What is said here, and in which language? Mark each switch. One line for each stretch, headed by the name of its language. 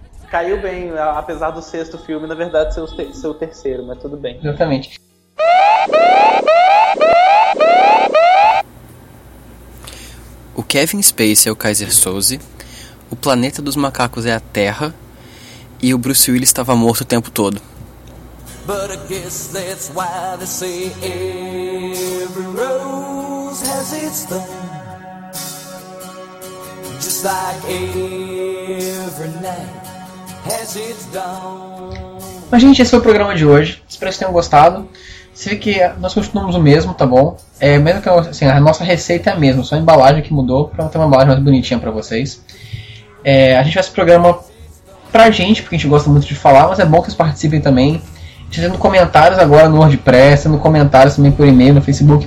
Portuguese: Caiu bem, apesar do 6º filme, na verdade, ser o 3º, mas tudo bem. Exatamente. O Kevin Spacey é o Kaiser Soze, o planeta dos macacos é a Terra e o Bruce Willis estava morto o tempo todo.
English: But I guess that's why they say every rose has its thorn, just like every night has its dawn.
Portuguese: Mas gente, esse foi o programa de hoje. Espero que tenham gostado. Você vê que nós continuamos o mesmo, tá bom? É mesmo que assim, a nossa receita é a mesma, só a embalagem que mudou pra ter uma embalagem mais bonitinha pra vocês. A gente faz esse programa pra gente, porque a gente gosta muito de falar, mas é bom que vocês participem também. Fazendo comentários agora no WordPress, fazendo comentários também por e-mail, no Facebook.